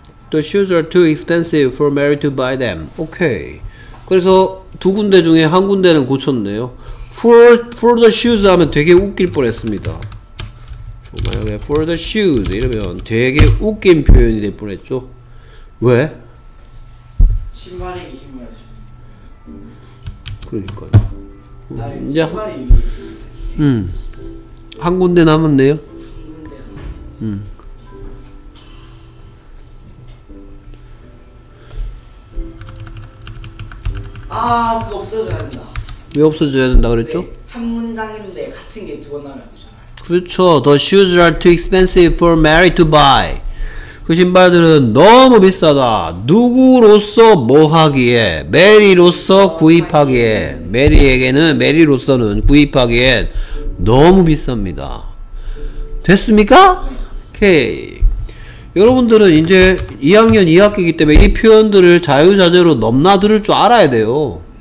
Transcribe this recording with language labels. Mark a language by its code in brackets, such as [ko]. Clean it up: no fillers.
[en] The shoes are too expensive for Mary to buy them. Okay. [ko] 그래서 두 군데 중에 한 군데는 고쳤네요. [en] For the shoes [ko] 하면 되게 웃길 뻔했습니다. 만약에 [en] for the shoes [ko] 이러면 되게 웃긴 표현이 될 뻔했죠. 왜? 신발이 신발. 그러니까요. 아, 신발이. 한 군데 남았네요. 아, 그거 없어져야 된다. 왜 없어져야 된다 그랬죠? 네, 한 문장인데 같은 게 두 번 남았잖아요. 그렇죠. [en] The shoes are too expensive for Mary to buy. [ko] 그 신발들은 너무 비싸다. 누구로서 뭐 하기에? 메리로서 구입하기에. 메리에게는, 메리로서는 구입하기에 너무 비쌉니다. 됐습니까? 오케이. 여러분들은 이제 2학년 2학기이기 때문에 이 표현들을 자유자재로 넘나들을 줄 알아야 돼요.